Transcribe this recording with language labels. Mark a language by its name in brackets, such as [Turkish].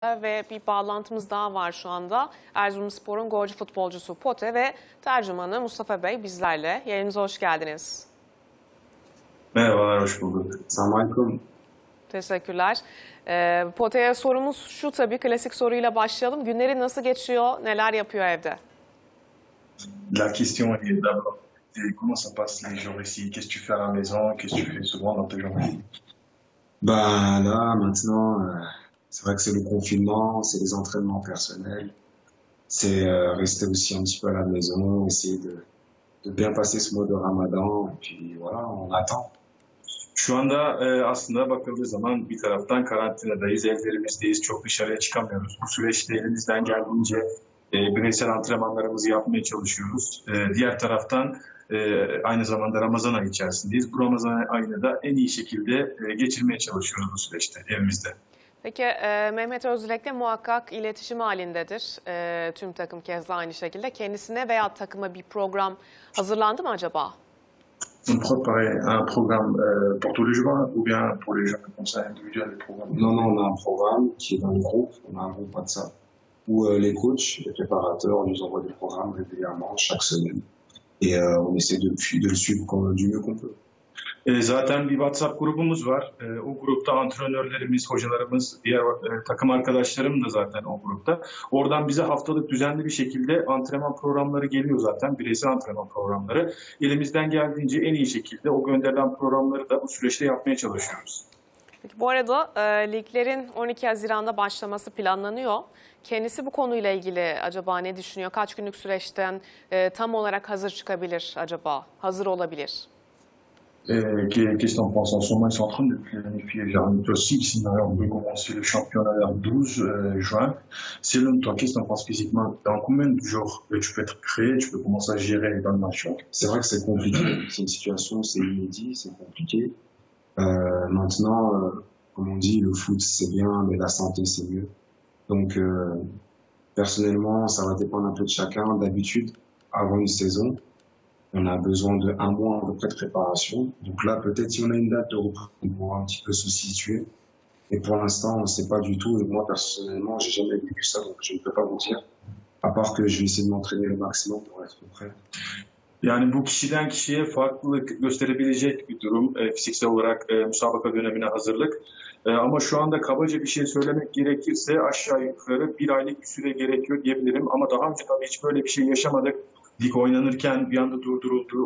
[Turkish] Ve bir bağlantımız daha var şu anda. Erzurumspor'un golcü futbolcusu Pote ve tercümanı Mustafa Bey bizlerle. Yayınımıza hoş geldiniz. Merhabalar, hoş bulduk. Selamünaleyküm. Teşekkürler. Pote'ye sorumuz şu tabii, klasik soruyla başlayalım. Günleri nasıl geçiyor, neler yapıyor evde? [French] La question est d'abord, comment ça passe les jours ici? Qu'est-ce que tu fais à la maison? Qu'est-ce que tu fais souvent dans ta journée? Bah là, maintenant, c'est vrai que c'est le confinement, c'est les entraînements personnels, c'est rester aussi un petit peu à la maison, essayer de bien passer ce mois de Ramadan, et puis voilà, on attend. [Turkish] Şu anda aslında bakıldığı zaman bir taraftan karantinadayız, evlerimizdeyiz, çok dışarıya çıkamıyoruz. Bu süreçte elimizden geldiğince bireysel antrenmanlarımızı yapmaya çalışıyoruz. Diğer taraftan aynı zamanda Ramazan ayı içerisindeyiz. Bu Ramazan ayını da en iyi şekilde geçirmeye çalışıyoruz bu süreçte evimizde. Peki Mehmet Özlek'le muhakkak iletişim halindedir tüm takım kez de aynı şekilde. Kendisine veya takıma bir program hazırlandı mı acaba? [French] On prépare un programme pour tous les joueurs ou bien pour les joueurs comme ça individuels des programmes. Non, non, on a un programme qui est dans le groupe, on a un groupe WhatsApp où les coachs, les préparateurs nous envoient des programmes régulièrement chaque semaine et on essaie de le suivre du mieux qu'on peut. [Turkish] Zaten bir WhatsApp grubumuz var. O grupta antrenörlerimiz, hocalarımız, diğer takım arkadaşlarım da zaten o grupta. Oradan bize haftalık düzenli bir şekilde antrenman programları geliyor zaten. Bireysel antrenman programları. Elimizden geldiğince en iyi şekilde o gönderilen programları da bu süreçte yapmaya çalışıyoruz. Peki, bu arada liglerin 12 Haziran'da başlaması planlanıyor. Kendisi bu konuyla ilgili acaba ne düşünüyor? Kaç günlük süreçten tam olarak hazır çıkabilir acaba? Hazır olabilir. [French] Qu'est-ce qu'on pense en ce moment? Ils sont en train de planifier vers le top 6. On peut commencer le championnat vers le 12 juin. Selon toi, qu'est-ce qu'on pense physiquement? Dans combien de jours tu peux être prêt? Tu peux commencer à gérer dans le match? C'est vrai que c'est compliqué. C'est une situation, c'est inédit, c'est compliqué. Maintenant, comme on dit, le foot c'est bien, mais la santé c'est mieux. Donc, personnellement, ça va dépendre un peu de chacun. D'habitude, avant une saison, on a besoin de un mois de préparation. Donc là, peut-être si on a une date de repos, on pourra un petit peu se situer. Et pour l'instant, on ne sait pas du tout. Et moi, personnellement, j'ai jamais vécu ça, donc je ne peux pas vous dire. À part que je vais essayer de m'entraîner le maximum pour être prêt. [Turkish] Yani bu kişiden kişiye farklılık gösterebilecek bir durum, fiziksel olarak müsabaka dönemine hazırlık. Ama şu anda kabaca bir şey söylemek gerekirse aşağı yukarı bir aylık bir süre gerekiyor diyebilirim. Ama daha önce tabii hiç böyle bir şey yaşamadık. Lig oynanırken bir anda durduruldu.